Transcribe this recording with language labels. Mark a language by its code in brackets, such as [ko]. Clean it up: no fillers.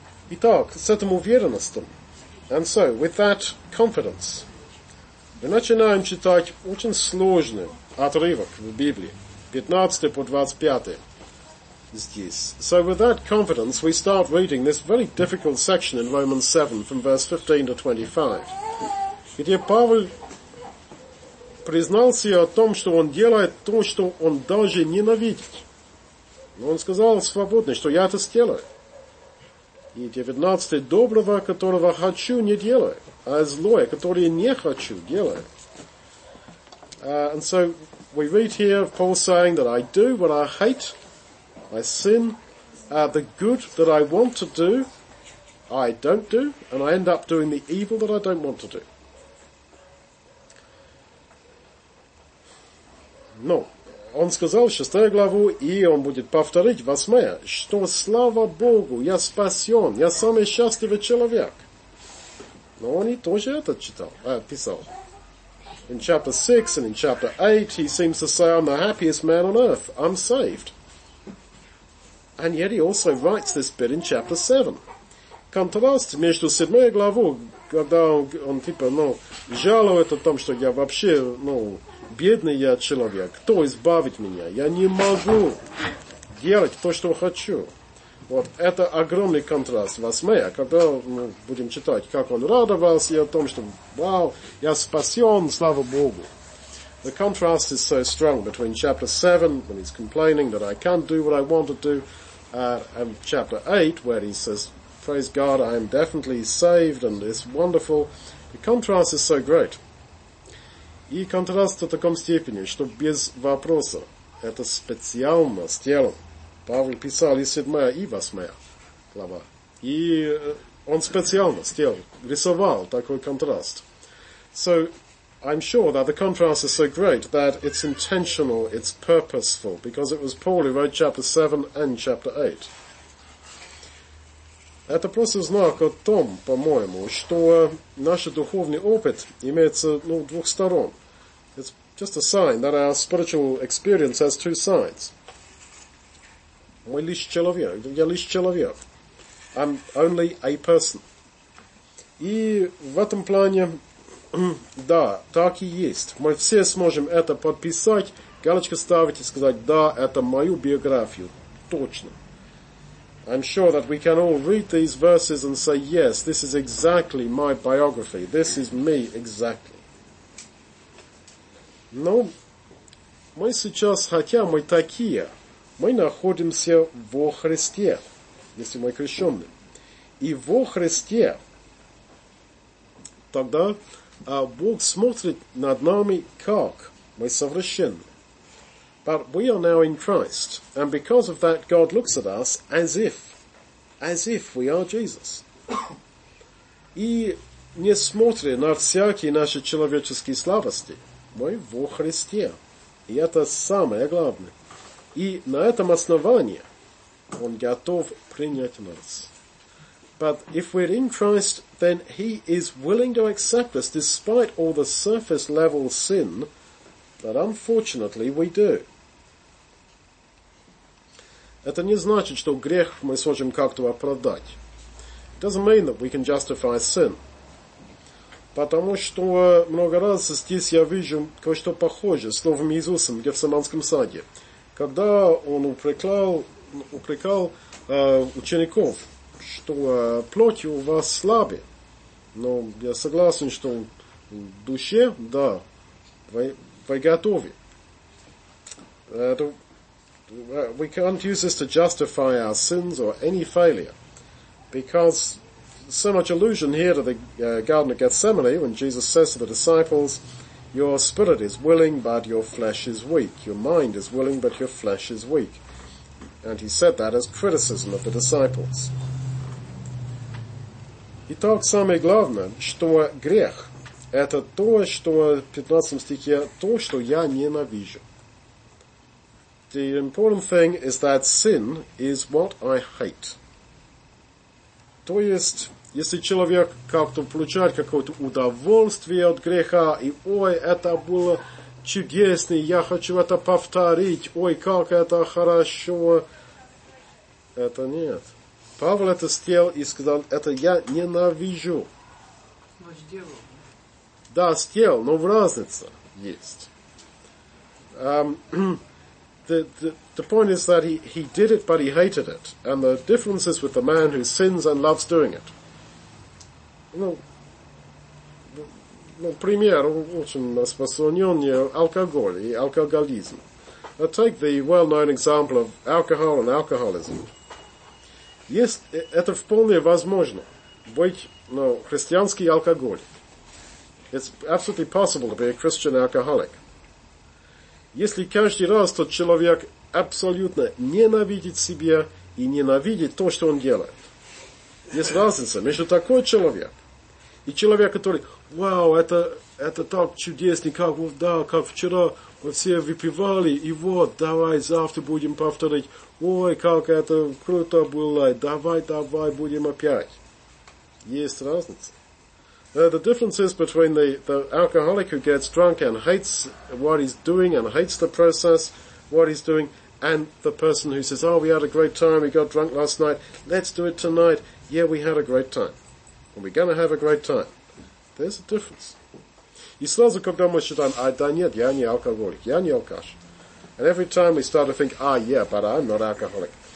[ru] Итак, с этим уверенностью. [en] And so, with that confidence, [ru] мы начинаем читать очень сложный отрывок в Библии, 15 по 25. Здесь. [en] So with that confidence, we start reading this very difficult section in Romans 7, from verse 15 to 25. [ru] Где Павел признался о том, что он делает то, что он даже ненавидит. Но он сказал свободно, что я это сделаю. И 19, доброго, которого хочу, не делаю, а злое, которое не хочу, делаю. [en] And so we read here Paul saying that I do what I hate. I sin, the good that I want to do, I don't do, and I end up doing the evil that I don't want to do. [ru] Но он сказал шестую главу, и он будет повторить восьмая, что слава Богу, я спасен, я самый счастливый человек. Но он и тоже это читал, писал. [en] In chapter 6 and in chapter 8, he seems to say, I'm the happiest man on earth, I'm saved. And yet he also writes this bit in chapter 7. [ru] Контраст между седьмой главой, когда он типа, ну, жалует о том, что я вообще, ну, бедный я человек. Кто избавит меня? Я не могу делать то, что хочу. Вот, это огромный контраст. Восьмая, когда мы будем читать, как он радовался о том, что, вау, я спасен, слава Богу. [en] The contrast is so strong between chapter 7, when he's complaining that I can't do what I want to do, and chapter 8, where he says, praise God, I am definitely saved, and it's wonderful. The contrast is so great. [ru] И контраст в таком степени, что без вопроса, это специально с телом. Павел писал и седьмая, и восьмая глава. И он специально сделал, рисовал такой контраст. [en] So, I'm sure that the contrast is so great that it's intentional, it's purposeful, because it was Paul who wrote chapter 7 and chapter 8. [ru] Это просто знак о том, по-моему, что наш духовный опыт имеется, ну, двух сторон. [en] It's just a sign that our spiritual experience has two sides. [ru] Мы лишь человек. Я лишь человек. [en] I'm only a person. [ru] И в этом плане, да, так и есть. Мы все сможем это подписать, галочку ставить и сказать, да, это мою биографию. Точно. [en] I'm sure that we can all read these verses and say, yes, this is exactly my biography. This is me exactly. [ru] Но мы сейчас, хотя мы такие, мы находимся во Христе, если мы крещенные. И во Христе тогда Бог смотрит над нами, как мы совершенны. [en] But we are now in Christ, and because of that, God looks at us as if we are Jesus. [ru] И не смотря на всякие наши человеческие слабости, мы во Христе. И это самое главное. И на этом основании Он готов принять нас. [en] But if we're in Christ, then He is willing to accept us, despite all the surface-level sin that, unfortunately, we do. [ru] Это не значит, что грех мы сможем как-то оправдать. [en] It doesn't mean that we can justify sin. [ru] Потому что много раз здесь я вижу кое-что похожее с Новым Иисусом в Гефсиманском саде. Когда Он упрекал учеников, что плоть у вас слабе. Но я согласен, что в душе, да, вы готовы. [en] We can't use this to justify our sins or any failure, because so much allusion here to the Garden of Gethsemane when Jesus says to the disciples, your spirit is willing but your flesh is weak, your mind is willing but your flesh is weak. And he said that as criticism of the disciples. [ru] Итак, самое главное, что грех, это то, что в 15 стихе, то, что я ненавижу. [en] The important thing is that sin is what I hate. [ru] То есть, если человек как-то получает какое-то удовольствие от греха, и ой, это было чудесно, я хочу это повторить, ой, как это хорошо, это нет. Павел это сделал и сказал, это я ненавижу. Но сделал. Да, сделал, но разница есть. [en] The point is that he did it, but he hated it. And the difference is with the man who sins and loves doing it. [ru] Ну, пример очень распространённый – алкоголь и алкоголизм. [en] Now take the well-known example of alcohol and alcoholism. [ru] Это вполне возможно быть, ну, христианский алкоголик. [en] It's absolutely possible to be a Christian alcoholic. [ru] Если каждый раз тот человек абсолютно ненавидит себя и ненавидит то, что он делает. Есть разница между такой человек и человек, который, вау, это так чудесно, как, да, как вчера мы все выпивали, и вот, давай завтра будем повторить, ой, как это круто было, давай будем опять. Есть разница. [en] The difference is between the alcoholic who gets drunk and hates what he's doing and hates the process, what he's doing, and the person who says, oh, we had a great time, we got drunk last night, let's do it tonight. Yeah, we had a great time. And we're going to have a great time. There's a difference. [ru] И сразу, когда мы считаем, ай, да нет, я не алкоголик, я не алкаш. [en] And every time we start to think, ah, yeah, but I'm not alcoholic.